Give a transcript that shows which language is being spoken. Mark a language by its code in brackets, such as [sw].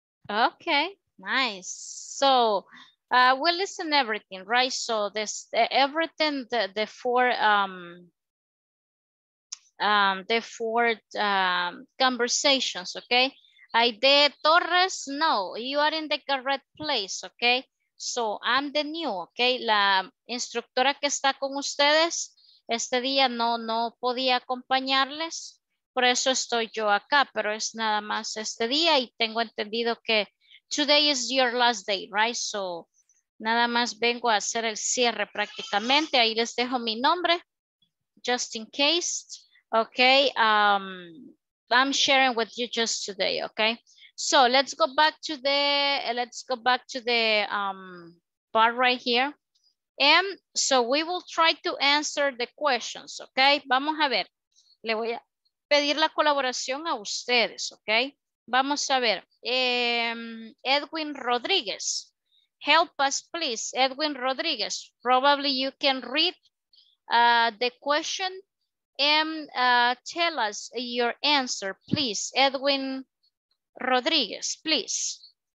[en] Okay, nice. So we'll listen everything, right? So this everything, the four conversations, okay? Aide Torres, no, you are in the correct place, okay? So I'm the new, okay? [es] La instructora que está con ustedes este día no podía acompañarles. Por eso estoy yo acá, pero es nada más este día y tengo entendido que [en] today is your last day, right? [es] So, nada más vengo a hacer el cierre prácticamente. Ahí les dejo mi nombre, [en] just in case. Okay, I'm sharing with you just today, okay? So, let's go back to the bar right here. And so, we will try to answer the questions, okay? [es] Vamos a ver, le voy a pedir la colaboración a ustedes, ok. Vamos a ver, [en] Edwin Rodríguez, help us please, Edwin Rodríguez, probably you can read the question and tell us your answer, please, Edwin Rodríguez, please.